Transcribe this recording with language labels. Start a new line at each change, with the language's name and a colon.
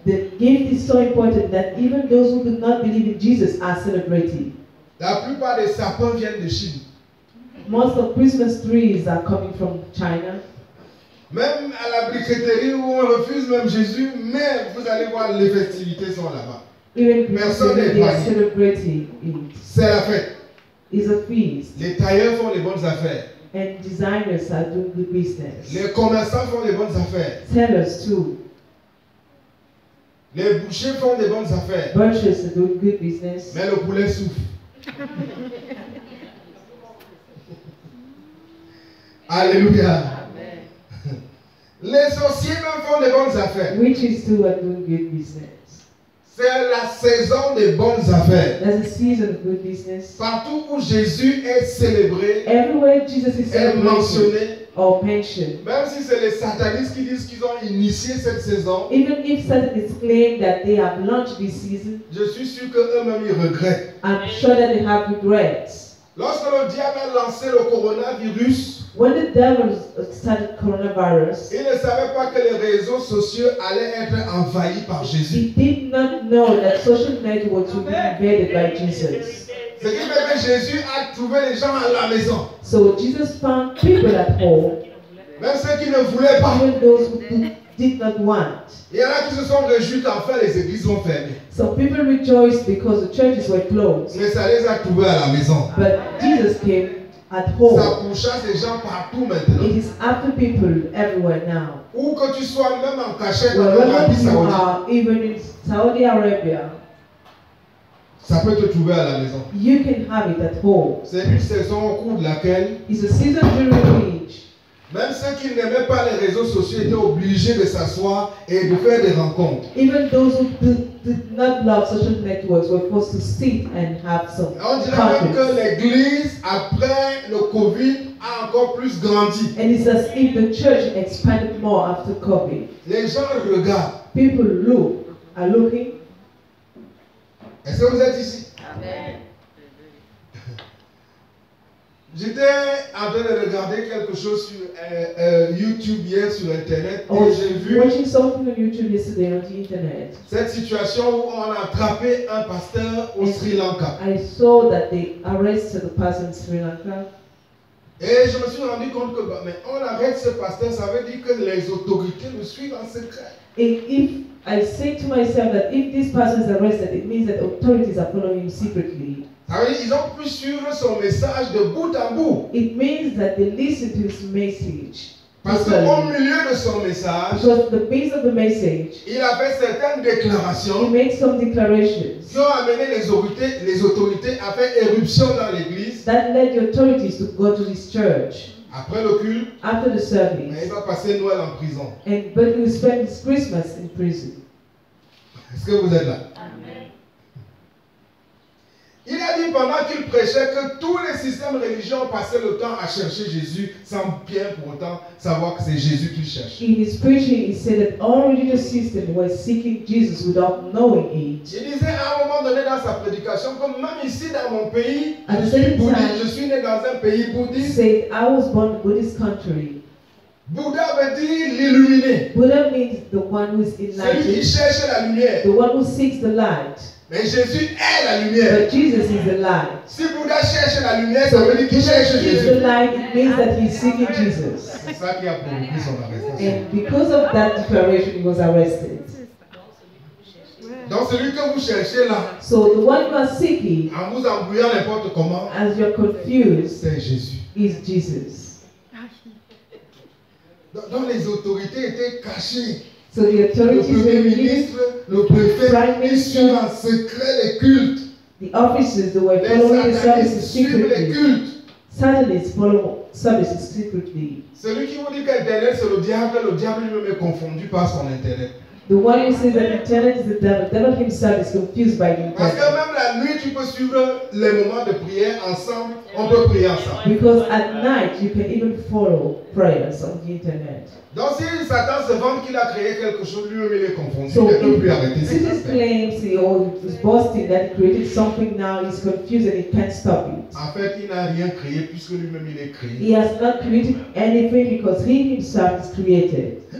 English: The gift is so important that even those who do not believe in Jesus are celebrating.
French: La plupart des sapins viennent de Chine.
English: Most of Christmas trees are coming from China.
French: Même à la briqueterie où on refuse même Jésus, mais vous allez voir les festivités sont là-bas.
English: Even
French: Personne n'est
English: celebrating.
French: C'est la fête.
English: Is a feast.
French: Les tailleurs font les bonnes affaires.
English: And designers are doing good business.
French: Les commerçants font les bonnes affaires.
English: Sellers too.
French: Les bouchers font les bonnes affaires.
English: Butchers are doing good business.
French: Mais le poulet souffre. Alléluia. Amen. Les sorciers même font les bonnes affaires.
English: Witches too are doing good business.
French: C'est la saison des bonnes affaires.
English: That's the season of good business.
French: Partout où Jésus est célébré,
English: everywhere Jesus is
French: est mentionné,
English: or mentioned.
French: Même si c'est les satanistes qui disent qu'ils ont initié cette saison,
English: even if satanists claim that they have launched this season,
French: je suis sûr que eux-mêmes ils regrettent.
English: I'm sure that they have regrets.
French: Lorsque le diable a lancé le coronavirus,
English: when the devil started coronavirus,
French: il ne savait pas que les réseaux sociaux allaient être envahis par Jésus.
English: He did not know that social networks would be invaded by Jesus.
French: C'est-à-dire que Jésus a trouvé les gens à la maison.
English: So Jesus found people at home.
French: Même ceux qui ne voulaient pas.
English: Even those who did not want.
French: Il y en a qui se sont réjouis qu'en fait les églises ont fermé.
English: Some people rejoiced because the churches were closed.
French: Mais ça les a trouvés à la maison.
English: But Jesus came at home.
French: Ça pourchasse les gens partout maintenant.
English: It is after people everywhere now.
French: Ou que tu sois même en cachette dans l'Arabie Saoudite.
English: Even in Saudi Arabia.
French: Ça peut te trouver à la maison.
English: You can have it at home.
French: C'est une saison au cours de laquelle.
English: It's a season during which.
French: Même ceux qui n'aimaient pas les réseaux sociaux étaient obligés de s'asseoir et de faire des rencontres.
English: Even those who did not love social networks were forced to sit and have some.
French: Et on dirait même que l'église après le COVID a encore plus grandi.
English: And it's as if the church expanded more after COVID.
French: Les gens regardent.
English: People look, are looking.
French: Est-ce que vous êtes ici? Amen. J'étais en train de regarder quelque chose sur YouTube hier sur Internet et j'ai vu
English: watching something on YouTube yesterday on the Internet.
French: Cette situation où on a attrapé un pasteur au Sri Lanka.
English: I saw that they arrested the pastor in Sri Lanka.
French: Et je me suis rendu compte que mais on arrête ce pasteur, ça veut dire que les autorités le suivent en secret.
English: If I say to myself that if this person is arrested, it means that authorities are following him secretly.
French: Ils ont pu suivre son message de bout en bout.
English: It means that they listen to his message.
French: Parce qu'au milieu de son message,
English: because the base of the message,
French: il a fait certaines déclarations.
English: He made some declarations.
French: Qui ont amené les autorités à faire éruption dans l'église.
English: That led the authorities to go to this church.
French: Après le culte,
English: after the service,
French: mais il va passer Noël en prison.
English: And but he will spend his Christmas in prison.
French: Est-ce que vous êtes là? Amen. Il a dit pendant qu'il prêchait que tous les systèmes religieux ont passé le temps à chercher Jésus sans bien pour autant savoir que c'est Jésus qu'ils cherchent.
English: In his preaching, he said that all religious systems were seeking Jesus without knowing it.
French: Je disais à un moment donné dans sa prédication que même ici dans mon pays, je suis né dans un pays bouddhiste.
English: Said I was born in a Buddhist country.
French: Bouddha veut dire l'illuminé.
English: Buddha means the one who is enlightened.
French: Celui qui cherche la lumière.
English: The one who seeks the light.
French: Mais Jésus est la lumière.
English: But Jesus is the light.
French: Si Bouddha cherche la lumière, ça veut dire qu'il cherche Jésus.
English: The light, it means that he's seeking Jesus.
French: C'est ça qui a provoqué son arrestation.
English: And because of that declaration, he was arrested.
French: Donc celui que vous cherchez là,
English: so the one you are seeking,
French: en vous embrouillant n'importe comment,
English: as you're confused,
French: c'est Jésus.
English: Is Jesus.
French: Donc les autorités étaient cachées.
English: So the authorities,
French: le premier ministre, le préfet, ils suivent en secret les cultes.
English: The officers, they were following the services secretly. Satanists follow services secretly.
French: Celui qui vous dit que l'internet c'est le diable lui-même est confondu par son internet.
English: The one who says that internet is the devil himself is confused by the internet.
French: Parce que même la nuit, tu peux suivre les moments de prière ensemble. On peut prier ensemble.
English: Because at night, you can even follow prayers on the internet.
French: Donc si Satan se vante qu'il a créé quelque chose, lui-même il est confondu. So il ne peut plus arrêter ses affaires.
English: Satan claims or is boasting that he created something now, he's confused and he can't stop it.
French: En fait, il n'a rien créé puisque lui-même il est créé.
English: He has not created anything because he himself is created.